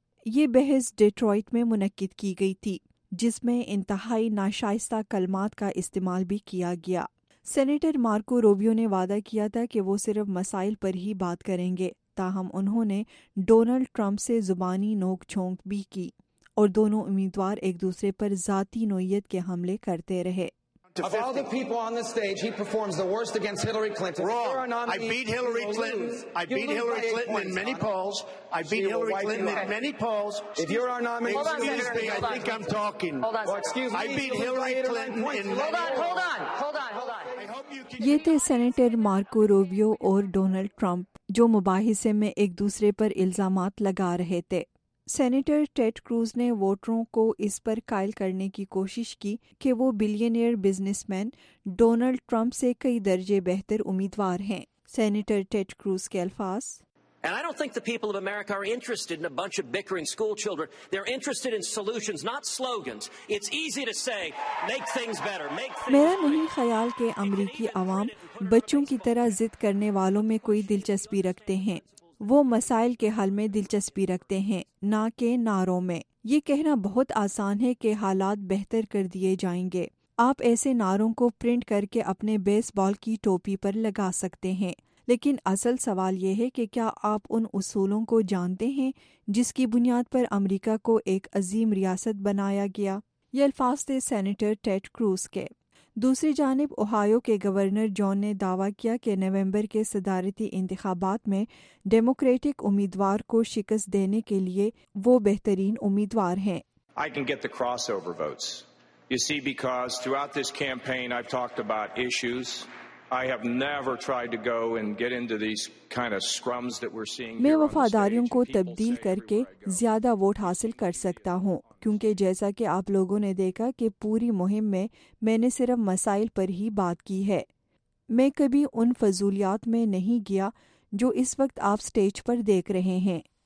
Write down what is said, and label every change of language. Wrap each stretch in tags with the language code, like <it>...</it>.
<ur>یہ بحث ڈیٹرائٹ میں منعقد کی گئی تھی جس میں انتہائی ناشائستہ کلمات کا استعمال بھی کیا گیا. سینیٹر مارکو روبیو نے وعدہ کیا تھا کہ وہ صرف مسائل پر ہی بات کریں گے، تاہم انہوں نے ڈونلڈ ٹرمپ سے زبانی نوک جھونک بھی کی اور دونوں امیدوار ایک دوسرے پر ذاتی نوعیت کے حملے کرتے رہے.</ur> <en>Of all the people on the stage, he performs the worst against Hillary Clinton. Wrong. I beat Hillary Clinton. I beat Hillary Clinton in many polls. I beat Hillary Clinton in many polls. If you're our nominee, excuse me, I think I'm talking. Hold on. Excuse me. I beat Hillary Clinton in many polls. Hold on.</en> <ur>یہ تھے senator Marco Rubio اور Donald Trump جو مباحثے میں ایک دوسرے پر الزامات لگا رہے تھے. سینیٹر ٹیڈ کروز نے ووٹروں کو اس پر قائل کرنے کی کوشش کی کہ وہ billionaire business man Donald Trump سے کئی درجے بہتر امیدوار ہیں. سینیٹر ٹیڈ کروز کے الفاظ،</ur> <en>And I don't think the people of America are interested in a bunch of bickering school children. They're interested in solutions, not slogans. It's easy to say, make things better, make things</en> <ur>میرا نہیں خیال کہ امریکی عوام بچوں کی طرح ضد کرنے والوں میں کوئی دلچسپی رکھتے ہیں. وہ مسائل کے حل میں دلچسپی رکھتے ہیں، نہ کہ نعروں میں. یہ کہنا بہت آسان ہے کہ حالات بہتر کر دیے جائیں گے. آپ ایسے نعروں کو پرنٹ کر کے اپنے بیس بال کی ٹوپی پر لگا سکتے ہیں، لیکن اصل سوال یہ ہے کہ کیا آپ ان اصولوں کو جانتے ہیں جس کی بنیاد پر امریکہ کو ایک عظیم ریاست بنایا گیا. یہ الفاظ تھے سینیٹر ٹیڈ کروز کے. دوسری جانب اوہایو کے گورنر جون نے دعویٰ کیا کہ نومبر کے صدارتی انتخابات میں ڈیموکریٹک امیدوار کو شکست دینے کے لیے وہ بہترین امیدوار ہیں.</ur> <en>I can get the crossover votes. You see, because throughout this campaign I've talked about issues. I have never tried to go and get into these kind of scrums that we're seeing.</en> <ur>میں وفاداریوں کو تبدیل کر کے زیادہ vote حاصل کر سکتا ہوں، کیونکہ جیسا کہ آپ لوگوں نے دیکھا کہ پوری مہم میں میں نے صرف مسائل پر ہی بات کی ہے. میں کبھی ان فضولیات میں نہیں گیا جو اس وقت آپ سٹیج پر دیکھ رہے ہیں.</ur>